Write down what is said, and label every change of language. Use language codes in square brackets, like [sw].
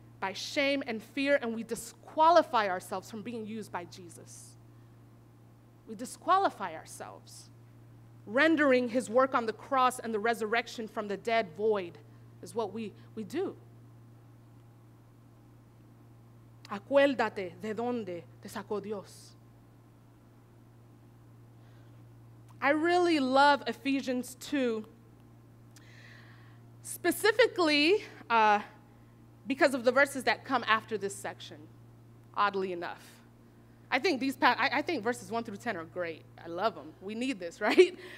[en] by shame and fear, and we disqualify ourselves from being used by Jesus. We disqualify ourselves, rendering his work on the cross and the resurrection from the dead void is what we do. [es] Acuérdate de dónde te sacó Dios. [en] I really love Ephesians 2, specifically because of the verses that come after this section, oddly enough. I think verses 1 through 10 are great. I love them. We need this, right?